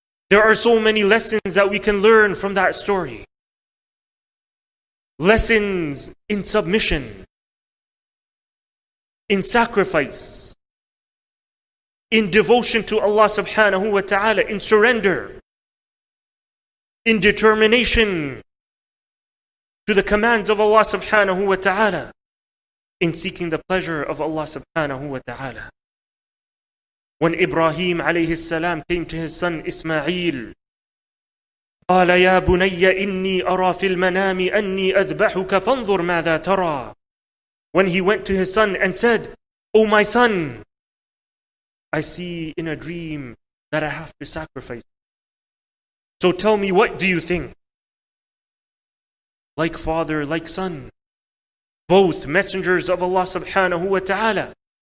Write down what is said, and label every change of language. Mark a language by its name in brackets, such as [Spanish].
[English] There are so many lessons that we can learn from that story. Lessons in submission, in sacrifice, in devotion to Allah subhanahu wa ta'ala, in surrender, in determination to the commands of Allah subhanahu wa ta'ala, in seeking the pleasure of Allah subhanahu wa ta'ala. When Ibrahim alayhi salam came to his son Ismail, [Arabic] قَالَ يَا بُنَيَّ إِنِّي أَرَى فِي الْمَنَامِ أَنِّي أَذْبَحُكَ فَانْظُرْ مَاذَا تَرَى. [English] When he went to his son and said, "Oh my son, I see in a dream that I have to sacrifice. So tell me, what do you think?" Like father, like son, both messengers of Allah subhanahu wa ta'ala.